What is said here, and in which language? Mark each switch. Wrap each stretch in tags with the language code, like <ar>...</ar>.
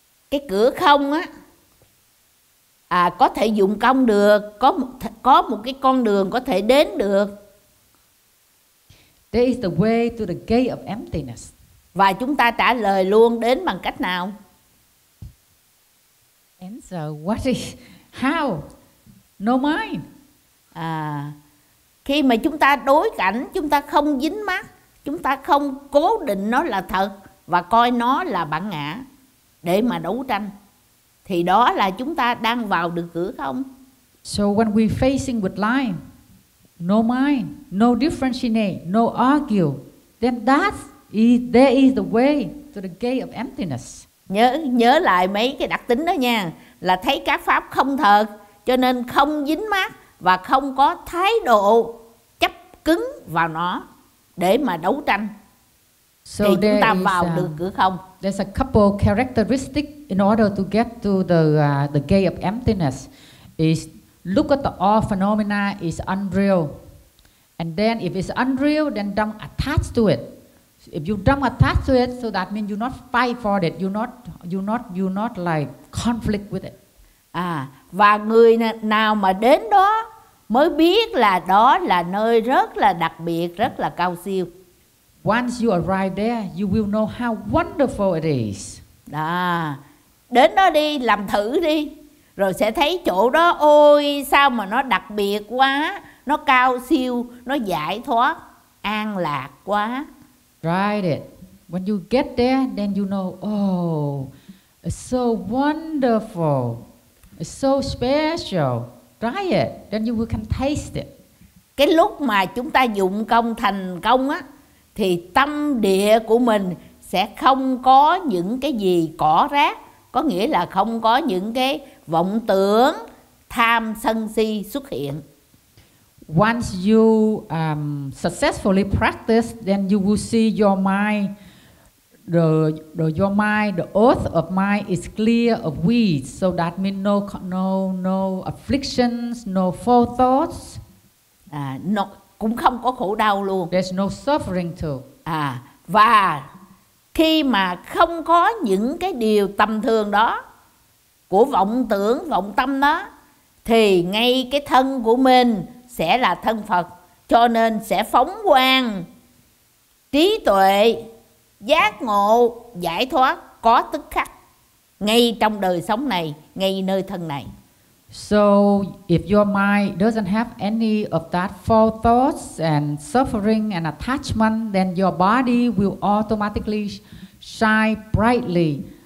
<vi>Cái cửa không á, có thể dụng công được, có một cái con đường có thể đến được.</vi> <en>There is the way to the gate of emptiness.</en> <vi>Và chúng ta trả lời luôn đến bằng cách nào?</vi> <en>Answer what is how? No mind.</en> <vi>Khi mà chúng ta đối cảnh, chúng ta không dính mắc, chúng ta không cố định nó là thật và coi nó là bản ngã để mà đấu tranh, thì đó là chúng ta đang vào được cửa không.</vi> <en>So when we facing with life, no mind, no differentiate, no argue, then that is there is the way to the gate of emptiness.</en> <vi>Nhớ lại mấy cái đặc tính đó nha, là thấy các pháp không thật, cho nên không dính mắc và không có thái độ chấp cứng vào nó để mà đấu tranh.</vi> <en>So</en> <vi>thì chúng ta vào được cửa không.</vi> <en>There's a couple characteristic in order to get to the gate of emptiness is look at the all phenomena is unreal. And then if it's unreal, then don't attach to it. If you don't attach to it, so that means you not fight for it, you not like conflict with it.</en> <vi>Và người nào mà đến đó mới biết là đó là nơi rất là đặc biệt, rất là cao siêu.</vi> <en>Once you arrive there, you will know how wonderful it is.</en> <vi>Đến đó đi, làm thử đi, rồi sẽ thấy chỗ đó, ôi sao mà nó đặc biệt quá, nó cao siêu, nó giải thoát, an lạc quá.</vi> <en>Tried it. When you get there, then you know, oh, it's so wonderful, it's so special. Try it, then you will can taste it.</en> <vi>Cái lúc mà chúng ta dụng công thành công á, thì tâm địa của mình sẽ không có những cái gì cỏ rác, có nghĩa là không có những cái vọng tưởng, tham sân si xuất hiện.</vi> <en>Once you successfully practice, then you will see your mind the your mind, the earth of mind is clear of weeds, so that means no afflictions, no false thoughts.</en> <vi>Nó cũng không có khổ đau luôn.</vi> <en>There's no suffering too.</en> <vi>Và khi mà không có những cái điều tầm thường đó của vọng tưởng, vọng tâm đó, thì ngay cái thân của mình sẽ là thân Phật, cho nên sẽ phóng quang trí tuệ, giác ngộ, giải thoát có tức khắc ngay trong đời sống này, ngay nơi thân này.</vi> <en>So if your mind doesn't have any of that false thoughts and suffering and attachment, then your body will automatically shine brightly.</en>